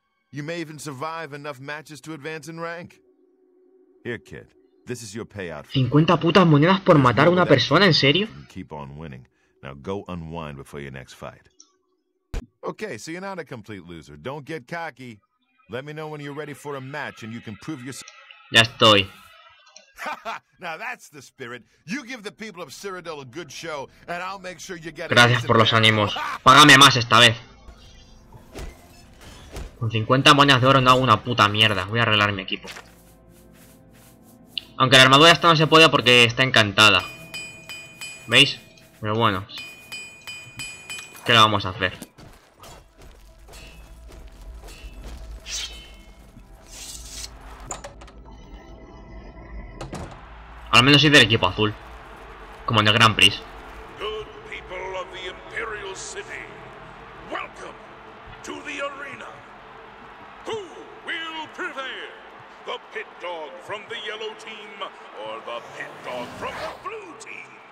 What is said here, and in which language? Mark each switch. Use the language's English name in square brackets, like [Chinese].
[English] You may even survive enough matches to advance in rank. Here, kid. This is your payout. [Spanish] 50 putas monedas por matar a una persona, ¿en serio? [English] Keep on winning. Now go unwind before your next fight. Okay, so you're not a complete loser. Don't get cocky. Let me know when you're ready for a match and you can prove yourself. [Spanish] Ya estoy. [English] Now that's the spirit. You give the people of Cyrodiil a good show and I'll make sure you get. [Spanish] Gracias por los ánimos. Págame más esta vez. Con 50 monedas de oro no hago una puta mierda. Voy a arreglar mi equipo. Aunque la armadura esta no se puede porque está encantada. ¿Veis? Pero bueno. ¿Qué le vamos a hacer? Al menos soy del equipo azul. Como en el Grand Prix. [English] Good people of the Imperial City. Welcome to the arena. Who will prevail? The pit dog from the yellow team or the pit dog from the blue team?